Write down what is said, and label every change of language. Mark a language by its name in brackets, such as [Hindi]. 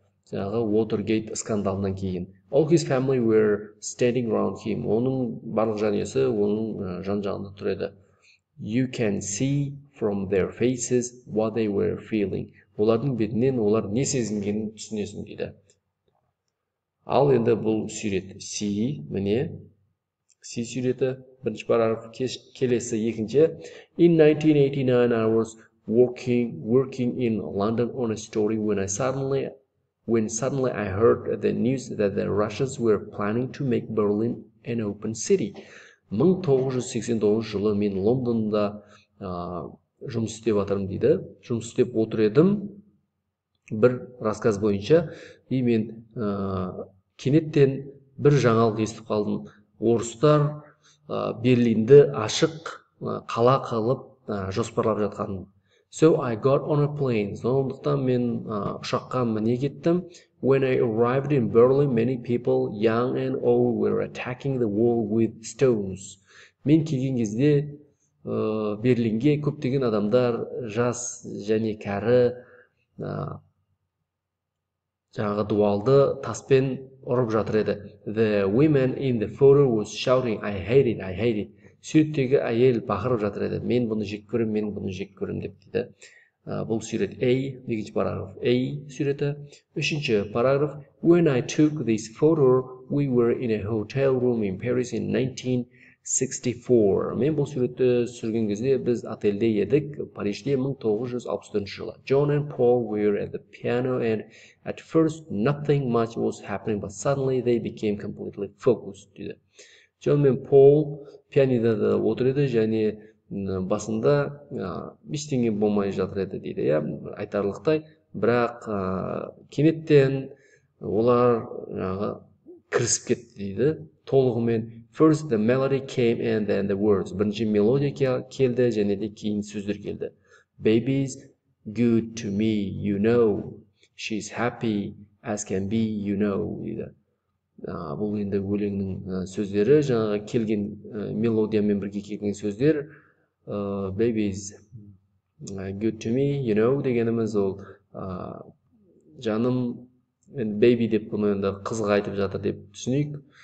[Kazakh] Жаңағы Watergate скандалынан кейін. [English] All his family were standing around him. [Kazakh] Оның барлық жанұясы оның жан-жағында тұрады. [English] You can see from their faces what they were feeling. [Kazakh] Олардың бетінен олар не сезінгенін түсінесің дейді. Ал енді бұл сурет C, міне. C суреті бірінші параграф, келесі екінші. [English] In 1989 I was working in London on a story when suddenly I heard the news that the Russians were planning to make Berlin an open city. [Kazakh] 1989 жылы мен Лондонда жұмыс істеп отырдым дейді. Жұмыс істеп отыр едім. Бір рассказ бойынша мен кенеттен бір жаңалық естіп қалдым. Орыстар Берлинді ашық қала қылып жоспарлап жатқанын. [English] So I got on a plane. [Kazakh] Сондықтан мен ұшаққа міне кеттім. [English] When I arrived in Berlin, many people, young and old, were attacking the wall with stones. [Kazakh] Мен келген кезде Берлинге көптеген адамдар, жас және кәрі жаңағы дуалды таспен ұрып жатыр еді. [English] The woman in the photo was shouting, I hate it, I hate it. [Kazakh] Суреттегі әйел бақырып жатыр еді. Мен бұны жек көрем, мен бұны жек көрем деп дейді. Бұл сурет A, екінші параграф A суреті. Үшінші параграф. [English] When I took this photo, we were in a hotel room in Paris in 1964. [Kazakh] Мен бұл суретті түсірген кезде біз отельде едік, Парижде 1964 жылы. [English] John and Paul were at the piano and at first nothing much was happening, but suddenly they became completely focused, дейді. [Kazakh] John мен Paul пианида да отыр еді және басында ештеңе болмай жатыр еді дейді, иә, айтарлықтай. Бірақ кенеттен олар жаңағы кірісіп кетті дейді толығымен. [English] First the melody came and then the words. [Kazakh] Бірінші мелодия келді және де кейін сөздер келді. [English] Baby's good to me, you know. She's happy as can be, you know, дейді. [Kazakh] Бұл енді өлеңнің сөздері, жаңағы келген мелодиямен бірге келген сөздер. [English] Baby's good to me, you know, [Kazakh] дегеніміз ол жаным, енді baby деп бұны енді қызға айтып жатыр деп түсінейік.